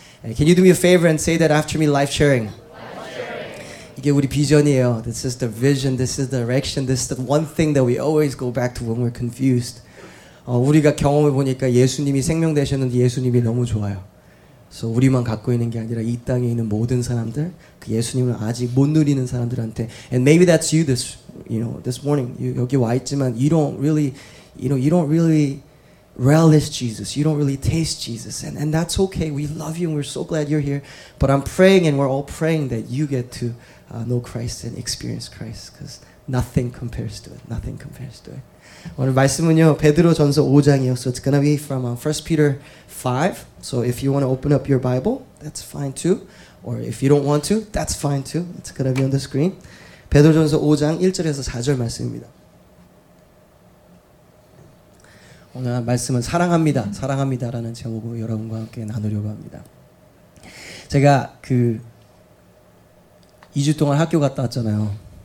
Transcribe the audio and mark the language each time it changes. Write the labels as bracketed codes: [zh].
[en] Can you do me a favor and say that after me, Life Sharing? Life Sharing. [ko] 이게 우리 비전이에요. [en] This is the vision, this is the direction, this is the one thing that we always go back to when we're confused. [ko] 우리가 경험해 보니까 예수님이 생명 되셨는데 예수님이 너무 좋아요. 그래서 우리만 갖고 있는 게 아니라 이 땅에 있는 모든 사람들, 그 예수님을 아직 못 누리는 사람들한테. [en] And maybe that's you this, you know, this morning. [ko] 여기 와 있지만 [en] you don't really, you know, you don't really relish Jesus. You don't really taste Jesus. And that's okay. We love you and we're so glad you're here. But I'm praying and we're all praying that you get to know Christ and experience Christ. Because nothing compares to it. Nothing compares to it. [ko] 오늘 말씀은요, 베드로 전서 5장이요. [en] So it's going to be from 1 Peter 5. So if you want to open up your Bible, that's fine too. Or if you don't want to, that's fine too. It's going to be on the screen. [ko] 베드로 전서 5장 1절에서 4절 말씀입니다. 오늘 말씀은 사랑합니다, 사랑합니다라는 제목으로 여러분과 함께 나누려고 합니다. 제가 그 2주 동안 학교 갔다 왔잖아요.